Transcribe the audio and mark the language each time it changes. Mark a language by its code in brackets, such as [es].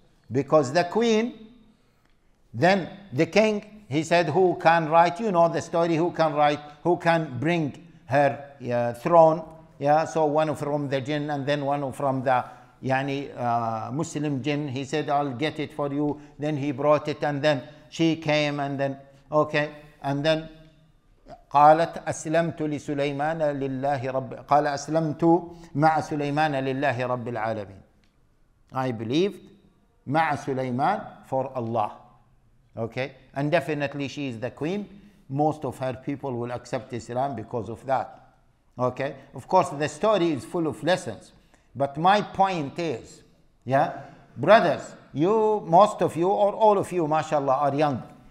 [en] Because the queen, then the king, he said, who can write, you know the story, who can write, who can bring her throne? Yeah, so one from the jinn and then one from the Muslim jinn. He said, I'll get it for you. Then he brought it and then she came and then, okay. And then, [ar] قالت أسلمت لسليمان لله رب قال أسلمت مع سليمان لله رب العالمين. [en] I believed [ar] مع سليمان [en] for Allah. Okay, and definitely she is the queen. Most of her people will accept Islam because of that. Okay, of course the story is full of lessons. But my point is, yeah, brothers, you, most of you or all of you, mashallah, are young.